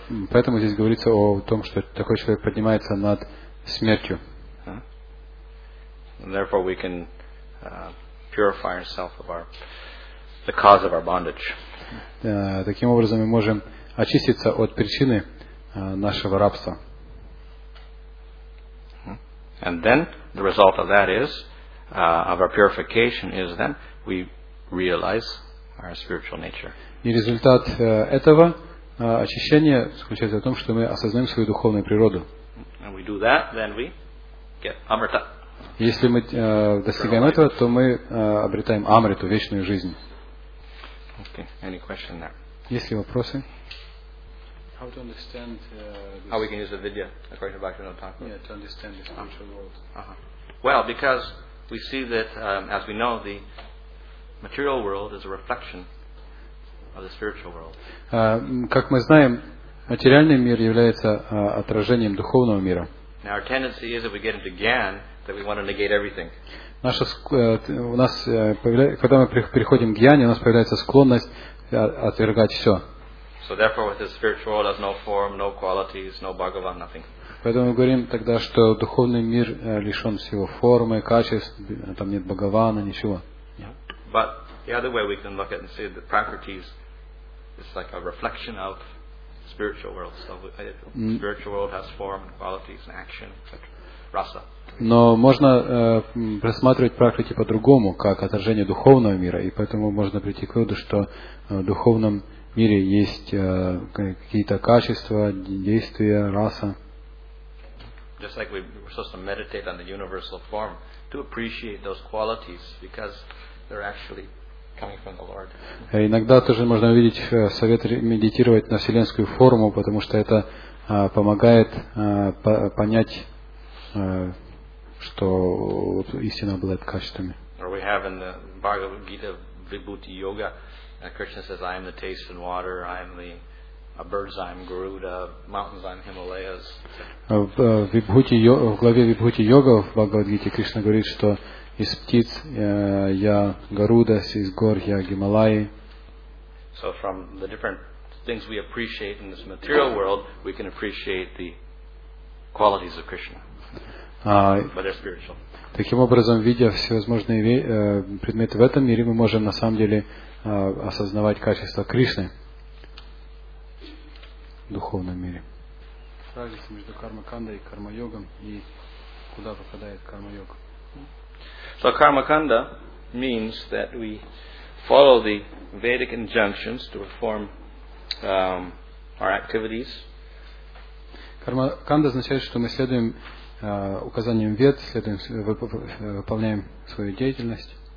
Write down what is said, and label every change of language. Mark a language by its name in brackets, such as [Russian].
[Russian] Поэтому здесь говорится о том, что такой человек поднимается над смертью. [English] And therefore we can purify ourselves of our the cause of our bondage. [Russian] Таким образом мы можем очиститься от причины нашего рабства. [English] And then the result of that is of our purification is then we realize our spiritual nature. [Russian] И результат этого очищения заключается в том, что мы осознаем свою духовную природу. [English] And we do that, then we get amrita. [Russian] Если мы достигаем этого, то мы обретаем амриту, вечную жизнь. [English] Okay. Any question there? [Russian] Есть ли вопросы? [English] How to understand how we can use avidya according to Bhaktivinoda Thakur? Yeah, to understand this spiritual world. Uh-huh. Well, because we see that, as we know, the material world is a reflection of the spiritual world. [Russian] Как мы знаем, материальный мир является отражением духовного мира. [English] Now our tendency is if we get into gyan, that we want to negate everything. [Russian] Наша у нас когда мы переходим к гьяне, у нас появляется склонность отвергать всё. [English] So therefore, with the spiritual world, has no form, no qualities, no Bhagavan, nothing. [Russian] Поэтому мы говорим тогда, что духовный мир лишён всего формы, качеств, там нет Бхагавана, ничего. [English] But the other way we can look at and see the properties is like a reflection of spiritual world. So the spiritual world has form and qualities and action, rasa. [Russian] Но можно рассматривать практики по-другому, как отражение духовного мира, и поэтому можно прийти к выводу, что в духовном мире есть какие-то качества, действия, раса. [English] Just like we're supposed to meditate on the universal form to appreciate those qualities because they're actually coming from the Lord. [Russian] Иногда тоже можно увидеть совет медитировать на вселенскую форму, потому что это помогает понять, что вот истина обладает качествами. [English] Or we have in the Bhagavad Gita Vibhuti Yoga, Krishna says, I am the taste and water, I am the birds, I am Garuda, mountains, I am Himalayas. [Russian] В главе Вибхути Йога в Бхагавад Гите Кришна говорит, что из птиц я Гаруда, из гор я Гималаи. [English] So from the different things we appreciate in this material world, we can appreciate the qualities of Krishna. [Russian] Таким образом, видя всевозможные предметы в этом мире, мы можем на самом деле осознавать качество Кришны в духовном мире. Разница между карма-кандой и карма-йогом и куда попадает карма-йог. [English] So karma-kanda means that we follow the Vedic injunctions to perform our activities. [Russian] Карма-канда означает, что мы следуем указанием вет, следуем, выполняем свою деятельность.